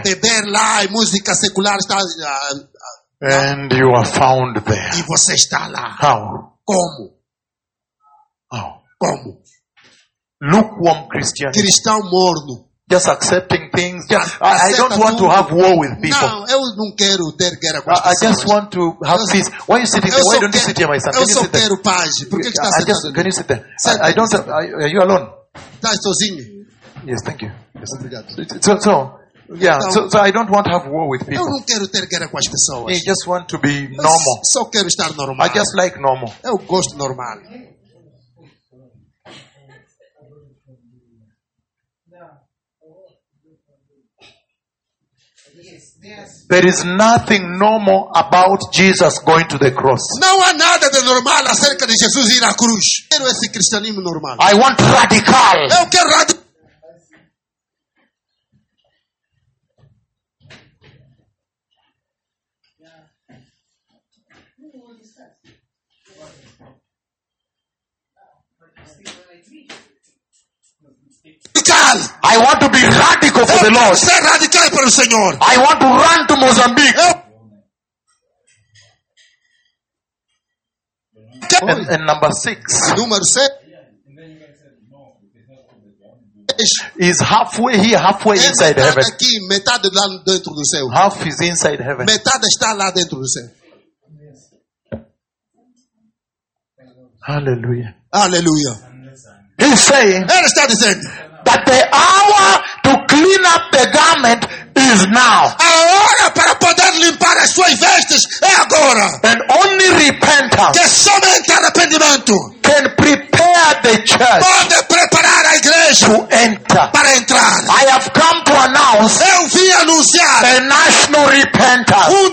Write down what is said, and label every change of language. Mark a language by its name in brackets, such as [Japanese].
[Portuguese] A beber lá, e música secular está. [English] And you are found there. [Portuguese] E você está lá. [English] How? [Portuguese] Como? [English] How? [Portuguese] Como? [English] Lukewarm Christian. [Portuguese] Cristão morno. [English] Just accepting things. I don't want to have war with people. [Portuguese] Não, eu não quero ter guerra com as pessoas. [English] I just want to have peace. Why are you sitting there? Why don't you sit here, my son? [Portuguese] Eu só quero paz. Por que está sentado? [English] Can you sit there? I don't. Are you alone? [Portuguese] Está sozinho. [English] Yes, thank you. [Portuguese] Obrigado. [English] So, yeah. So I don't want to have war with people. [Portuguese] Eu não quero ter guerra com as pessoas. [English] I just want to be normal. [Portuguese] Só quero estar normal. [English] I just like normal. [Portuguese] Eu gosto normal. [English] There is nothing normal about Jesus going to the cross. [Portuguese] Não há nada de normal acerca de Jesus ir à cruz. Quero esse cristianismo normal. [English] I want radical. [Portuguese] Eu quero radical. [English] I want to be radical for the Lord. [Portuguese] Ser radical para o Senhor. [English] I want to run to Mozambique. And number six. [Portuguese] Número seis. [English] Is halfway here, halfway inside heaven. [Portuguese] Metade aqui, metade lá dentro do céu. [English] Half is inside heaven. [Portuguese] Metade está lá dentro do céu. [English] Hallelujah. [Portuguese] Hallelujah. [English] He's saying. [Portuguese] Ele está dizendo. [English] That the hour to clean up the garment is now. [Portuguese] A hora para poder limpar as suas vestes é agora. [English] And only repentance. [Portuguese] Que somente arrependimento. [English] Can prepare the church. [Portuguese] Pode preparar a igreja. [English] To enter. [Portuguese] Para entrar. [English] I have come to announce. [Portuguese] Eu vim anunciar. [English] A national repentance.